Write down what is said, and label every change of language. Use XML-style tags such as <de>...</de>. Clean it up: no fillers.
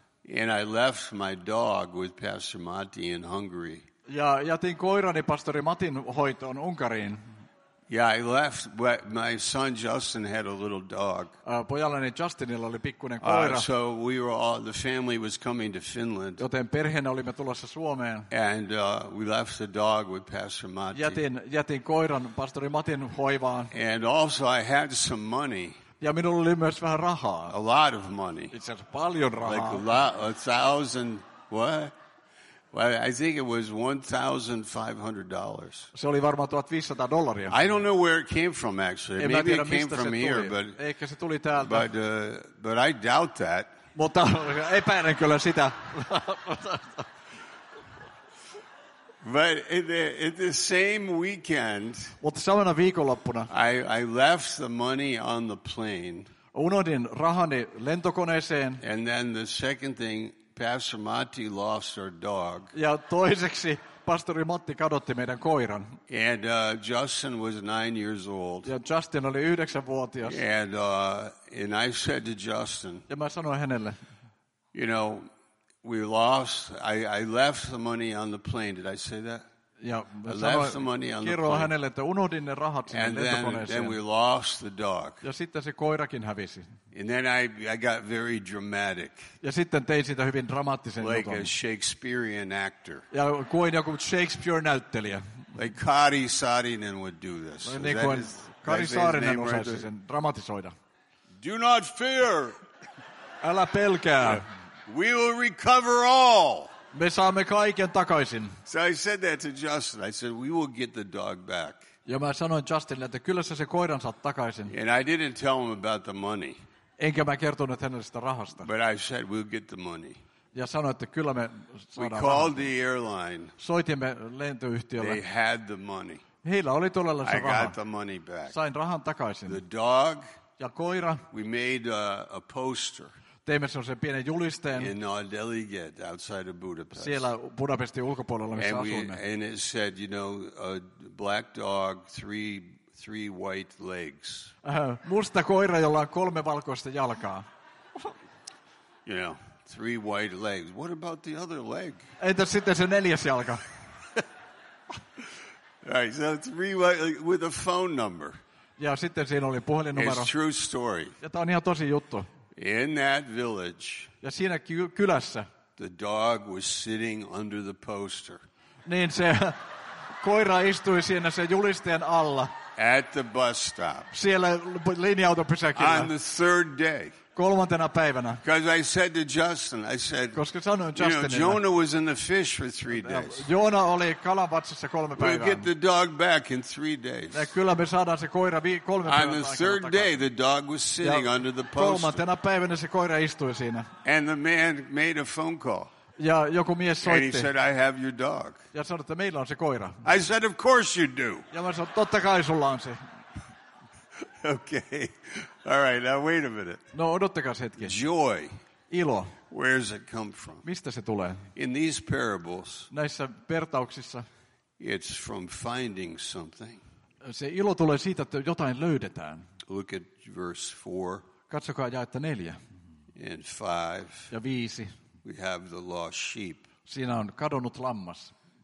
<en>And I left my dog with Pastor Matti in Hungary.</en> <fi>Ja jätin koirani pastori Matin hoitoon Unkariin.</fi> <en>Yeah, I left. My son Justin had a little dog.</en> <fi>Pojallani Justinilla oli pikkuinen koira.</fi> <en>So we were all, the family was coming to Finland.</en> <fi>Joten perheenä olimme tulossa Suomeen.</fi> <en>And we left the dog with Pastor Matti.</en> <fi>Jätin koiran pastori Matin hoivaan.</fi> <en>And also I had some money.</en> <fi>Ja minulla oli myös vähän rahaa.</fi> <en>A lot of money.</en> <fi>Itse asiassa paljon rahaa.</fi> <en>Like a thousand, what? Well, I think it was $1,500.</en> <fi>Se oli varmaan $1,500.</fi> <en>I don't know where it came from, actually.</en> <fi>En</fi> <en>maybe it came from here, but...</en> <fi>Ehkä se tuli täältä.</fi> <en>But I doubt that.</en> <fi>Mutta epäilen kyllä sitä.</fi> <en>But in the same weekend,</en> <fi>mutta samana viikonloppuna,</fi> <en>I left the money on the plane.</en> <fi>Unohdin rahani lentokoneeseen.</fi> <en>And then the second thing, Pastor Matti lost our dog.</en> <fi>Ja toiseksi pastori Matti kadotti meidän koiran.</fi> <en>And Justin was 9 years old.</en> <fi>Ja Justin oli 9-vuotias.</fi> <en>And I said to Justin,</en> <fi>ja mä sanoin hänelle,</fi> <en>you know, we lost. I left the money on the plane. Did I say that? Yeah, I left the money on the plane.</en> <fi>Kerroin hänelle, että unohdin ne rahat sinne lentokoneeseen.</fi> <en>And then we lost the dog.</en> <fi>Ja sitten se koirakin hävisi.</fi> <en>And then I got very dramatic.</en> <fi>Ja sitten tein siitä hyvin dramaattisen jutun.</fi> <en>Like a Shakespearean actor.</en> <fi>Ja kuin joku Shakespeare-näyttelijä.</fi> <en>Like Kari Saarinen would do this.</en> <fi>Niin kuin Kari Saarinen osaisi sen dramatisoida.</fi> <en>Do not fear.</en> <fi>Älä pelkää.</fi> <en>We will recover all.</en> <fi>Me saamme kaiken takaisin.</fi> <en>So I said that to Justin. I said, we will get the dog back.</en> <fi>Ja mä sanoin Justinille, että kyllä sä se koiran saat takaisin.</fi> <en>And I didn't tell him about the money.</en> <fi>Enkä mä kertonut hänelle sitä rahasta.</fi> <en>But I said, we'll get the money.</en> <fi>Ja sanoin, että kyllä me saadaan.</fi> <en>We called the airline.</en> <fi>Soitimme lentoyhtiölle.</fi> <en>They had the money.</en> <fi>Heillä oli todella se raha.</fi> <en>I got the money back.</en> <fi>Sain rahan takaisin.</fi> <en>The dog.</en> <fi>Ja koira.</fi> <en>We made a poster.</en> <fi>Teimme sellaisen pienen julisteen.</fi> <en>In our delegate outside of Budapest.</en> <fi>Siellä Budapestin ulkopuolella, missä</fi> <en>and</en> <fi>asuimme.</fi> <en>And it said, you know, a black dog, three white legs.</en> <fi>Musta koira, jolla on 3 valkoista jalkaa.</fi> <en>You know, three white legs. What about the other leg?</en> <fi>Entäs sitten se 4. jalka?</fi> <en>Right, so it's rewired with a phone number.</en> <fi>Ja sitten siinä oli puhelinnumero.</fi> <en>It's true story.</en> <fi>Ja tämä on ihan tosi juttu.</fi> <en>In that village.</en> <fi>Ja siinä kylässä.</fi> <en>The dog was sitting under the poster.</en> <fi>Niin se koira istui siinä sen julisteen alla.</fi> <en>At the bus stop.</en> <fi>Siellä linja-autopysäkillä.</fi> <en>On the third day.</en> <fi>Kolmantena päivänä.</fi> <en>Because I said to Justin, I said,</en> <fi>koska sanoin</fi> <en>Justinille, you know, Jonah was in the fish for 3 days.</en> <fi>Joona oli kalan vatsassa 3 päivää.</fi> <en>We'll get the dog back in 3 days.</en> <fi>Ja kyllä me saadaan se koira 3 päivää.</fi> <en>On the third day, the dog was sitting under the poster.</en> <fi>Kolmantena päivänä se koira istui siinä.</fi> <en>And the man made a phone call.</en> <fi>Ja joku mies soitti.</fi> <en>And he said, I have your dog.</en> <fi>Ja sanoi, että meillä on se koira.</fi> <en>I said, of course you do.</en> <fi>Ja mä sanoin, totta kai sulla on se.</fi> <en>Okay. All right, now wait a minute.</en> <fi>No, odottakaas hetki.</fi> <en>Joy.</en> <fi>Ilo.</fi> <en>Where does it come from?</en> <fi>Mistä se tulee?</fi> <en>In these parables.</en> <fi>Näissä vertauksissa.</fi> <en>It's from finding something.</en> <fi>Se ilo tulee siitä, että jotain löydetään.</fi> <en>Look at verse 4.</en> <fi>Katsokaa jaetta 4.</fi> <en>And 5.</en> <fi>Ja 5.</fi> <en>We have the lost sheep.</en> <fi>Siinä on kadonnut lammas.</fi>